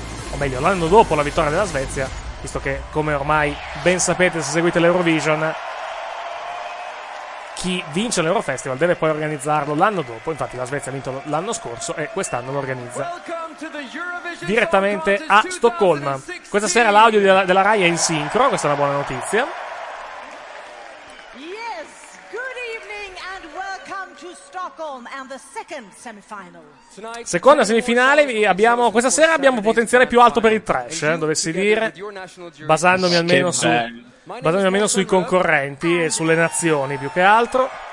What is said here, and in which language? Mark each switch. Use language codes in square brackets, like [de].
[it] O meglio, l'anno dopo la vittoria della Svezia, visto che, come ormai ben sapete se seguite l'Eurovision, chi vince l'Eurofestival deve poi organizzarlo l'anno dopo. Infatti la Svezia ha vinto l'anno scorso e quest'anno lo organizza direttamente a Stoccolma. Questa sera l'audio della Rai è in sincro, questa è una buona notizia. [en] Yes, good evening and welcome to Stockholm and the second semifinal. [it] Seconda semifinale, questa sera abbiamo potenziale più alto per il trash, dovessi dire, basandomi almeno sui concorrenti e sulle nazioni più che altro.